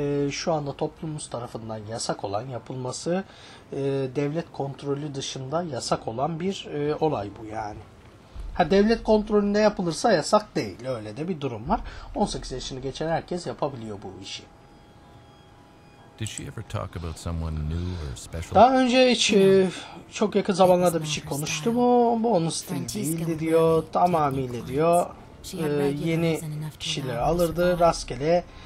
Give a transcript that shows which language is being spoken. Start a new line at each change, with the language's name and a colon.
Turkish: Şu anda toplumumuz tarafından yasak olan yapılması devlet kontrolü dışında yasak olan bir olay bu yani. Ha devlet kontrolünde yapılırsa yasak değil, öyle de bir durum var. 18 yaşını geçen herkes yapabiliyor bu işi.
English: Did she ever talk about someone new or special?
Turkish: Daha önce hiç çok yakın zamanlarda bir şey konuştu mu? Bu onun stili değildi diyor, tamamıyla diyor. Yeni kişileri alırdı rastgele.